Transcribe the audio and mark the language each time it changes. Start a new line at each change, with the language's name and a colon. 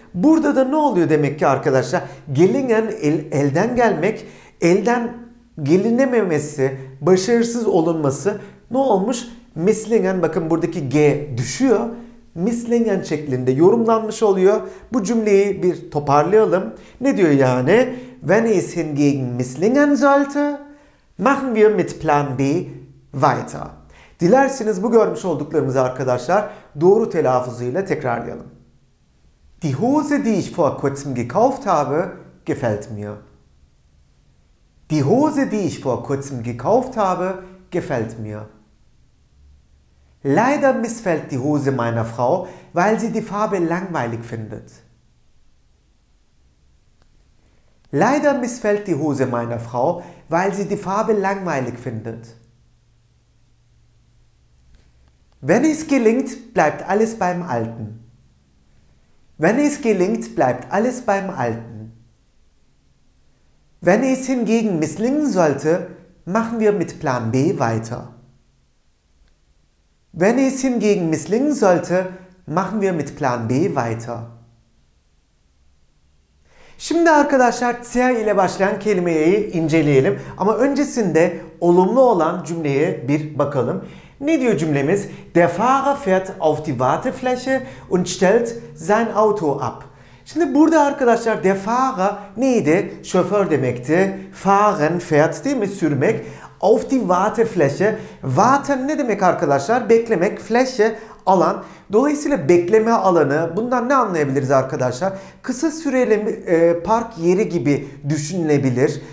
Turkish: Burada da ne oluyor demek ki arkadaşlar? Gelingen elden gelmek, elden gelinememesi, başarısız olunması ne olmuş? Misslingen, bakın buradaki G düşüyor. Misslingen şeklinde yorumlanmış oluyor. Bu cümleyi bir toparlayalım. Ne diyor yani?
German: Wenn es hingegen misslingen sollte, machen wir mit Plan B weiter.
Turkish: Dilerseniz bu görmüş olduklarımızı arkadaşlar doğru telaffuzuyla tekrarlayalım.
German: Die Hose, die ich vor kurzem gekauft habe, gefällt mir. Die Hose, die ich vor kurzem gekauft habe, gefällt mir. Leider missfällt die Hose meiner Frau, weil sie die Farbe langweilig findet. Leider missfällt die Hose meiner Frau, weil sie die Farbe langweilig findet. Wenn es gelingt, bleibt alles beim Alten. Wenn es gelingt, bleibt alles beim Alten. Wenn es hingegen misslingen sollte, machen wir mit Plan B weiter. Wenn es hingegen misslingen sollte, machen wir mit Plan B weiter.
Turkish: Şimdi arkadaşlar C ile başlayan kelimeyi inceleyelim. Ama öncesinde olumlu olan cümleye bir bakalım. Ne diyor cümlemiz?
German: Der Fahrer fährt auf die Wartefläche und stellt sein Auto ab.
Turkish: Şimdi burada arkadaşlar der Fahrer neydi? Şoför demekti. Fahren, fährt değil mi? Sürmek.
German: Auf die Warteflasche.
Turkish: Warten ne demek arkadaşlar? Beklemek. Flasche alan. Dolayısıyla bekleme alanı. Bundan ne anlayabiliriz arkadaşlar? Kısa süreli park yeri gibi düşünülebilir.